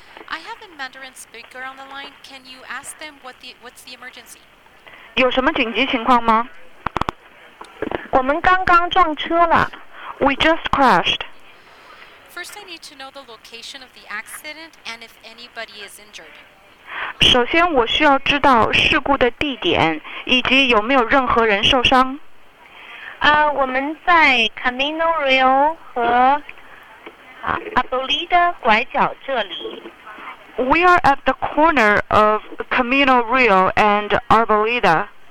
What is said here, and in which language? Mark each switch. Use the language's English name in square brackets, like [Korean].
[English] I have a Mandarin speaker on the line. Can you ask them what's the emergency? [Chinese] 有什么紧急情况吗？我们刚刚撞车了。 [English] We just crashed. First, I need to know the location of the accident and if anybody is injured. [Chinese] 首先，我需要知道事故的地点以及有没有任何人受伤。我们在 Camino Real 和 Abolida 拐角这里。 [English] We are at the corner of Camino Real and Arboleda.